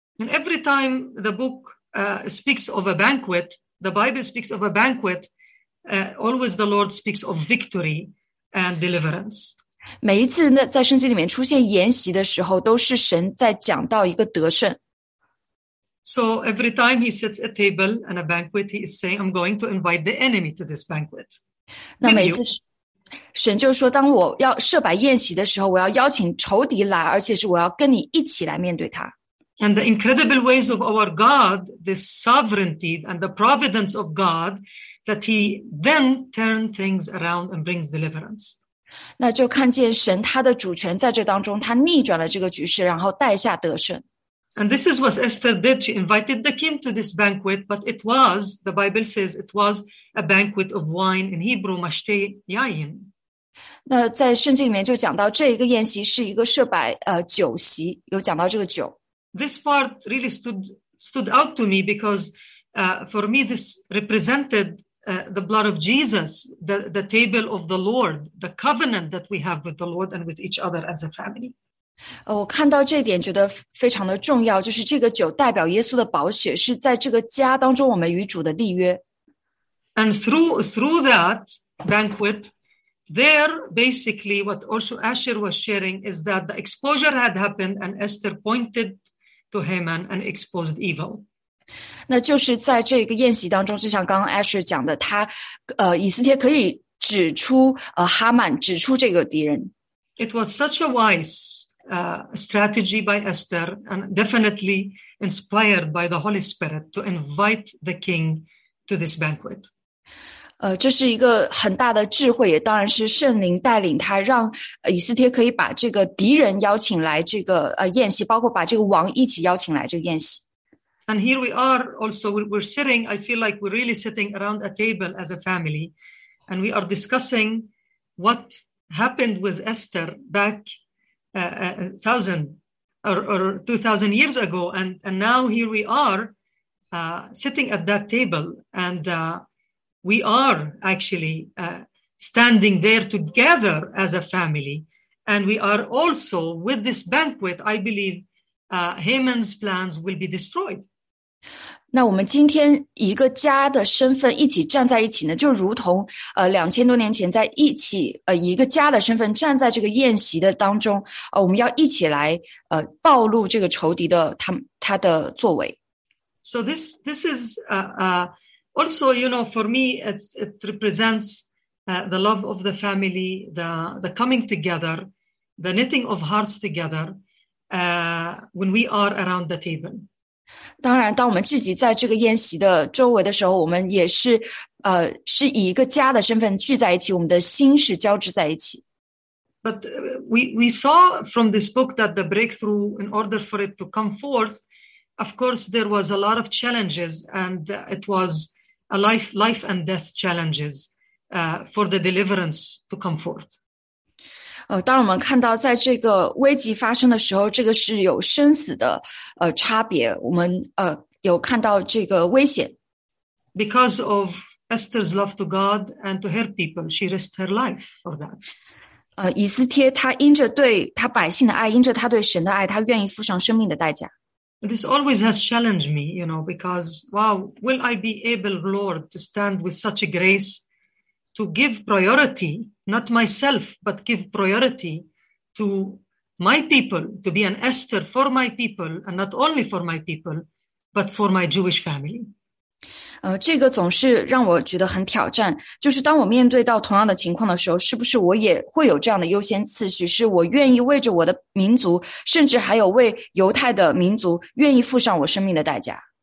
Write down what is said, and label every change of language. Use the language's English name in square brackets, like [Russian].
[English] And every time the book speaks of a banquet, the Bible speaks of a banquet, always the Lord speaks of victory and deliverance. [Chinese] 每一次在圣经里面出现筵席的时候，都是神在讲到一个得胜。 [English] So every time he sets a table and a banquet, he is saying, I'm going to invite the enemy to this banquet. [Chinese] 那每次神就说，当我要设摆宴席的时候，我要邀请仇敌来，而且是我要跟你一起来面对他。 [English] And the incredible ways of our God, the sovereignty and the providence of God, that he then turns things around and brings deliverance. [Chinese] 那就看见神他的主权在这当中，他逆转了这个局势，然后带下得胜。 [English] And this is what Esther did. She invited the king to this banquet, but it was, the Bible says, it wasa banquet of wine, in Hebrew, mashte yayin. [Chinese] 那在圣经里面就讲到这一个宴席是一个设摆酒席，有讲到这个酒。 [English] This part really stood out to me because for me this represented the blood of Jesus, the table of the Lord, the covenant that we have with the Lord and with each other as a family. [Chinese] 我看到这点觉得非常的重要，就是这个酒代表耶稣的宝血，是在这个家当中我们与主的立约。 [English] And through that banquet, there basically what also Asher was sharing is that the exposure had happened and Esther pointed to Haman and exposed evil. [Chinese] 那就是在这个宴席当中，就像刚刚 Asher 讲的，他以斯帖可以指出哈曼，指出这个敌人。 [English] It was such a wise strategy by Esther, and definitely inspired by the Holy Spirit to invite the king to this banquet. [Chinese] 这是一个很大的智慧，也当然是圣灵带领他，让以斯帖可以把这个敌人邀请来这个宴席，包括把这个王一起邀请来这个宴席。 [English] And here we are also, we're sitting, I feel like we're really sitting around a table as a family, and we are discussing what happened with Esther back a thousand or two thousand years ago, and now here we are sitting at that table, and we are actually standing there together as a family, and we are also, with this banquet, I believe Haman's plans will be destroyed. [Chinese] 那我们今天一个家的身份一起站在一起呢，就如同两千多年前在一起一个家的身份站在这个宴席的当中，我们要一起来暴露这个仇敌的他的作为。 [English] So this is also, you know, for me it represents the love of the family, the coming together, the knitting of hearts together when we are around the table. [Chinese] 当然当我们聚集在这个宴席的周围的时候，我们也是是以一个家的身份聚在一起，我们的心是交织在一起。 [English] But we saw from this book that the breakthrough, in order for it to come forth, of course there was a lot of challenges, and it was a life and death challenges for the deliverance to come forth. [Chinese] 当我们看到在这个危机发生的时候，这个是有生死的差别，我们有看到这个危险。 [English] Because of Esther's love to God and to her people, she risked her life for that. [Chinese] 以斯帖他因着对他百姓的爱，因着他对神的爱，他愿意付上生命的代价。 [English] This always has challenged me, you know, because, wow, will I be able, Lord, to stand with such a grace? To give priority, not myself, but give priority to my people, to be an Esther for my people, and not only for my people, but for my Jewish family. [Chinese] 这个总是让我觉得很挑战，就是当我面对到同样的情况的时候，是不是我也会有这样的优先次序，是我愿意为着我的民族，甚至还有为犹太的民族，愿意付上我生命的代价。